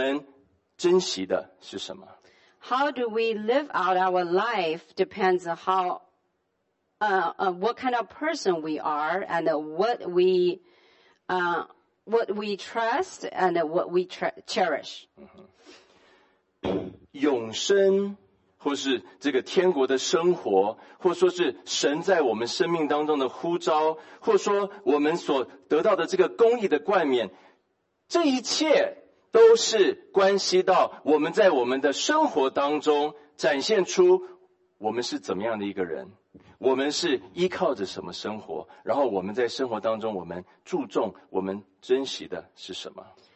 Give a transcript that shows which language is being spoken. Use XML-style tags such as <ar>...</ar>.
<zh>怎么样过我们的生活是取决于我们是怎么样的一个人，我们依靠的是什么，然后我们珍惜的是什么。How</zh> <en>do we live out our life depends on how, what kind of person we are and what we trust and what we cherish.</en> <zh>永生。或是这个天国的生活，或说是神在我们生命当中的呼召，或说我们所得到的这个公义的冠冕，这一切都是关系到我们在我们的生活当中展现出我们是怎么样的一个人，我们是依靠着什么生活，然后我们在生活当中我们注重、我们珍惜的是什么。</zh>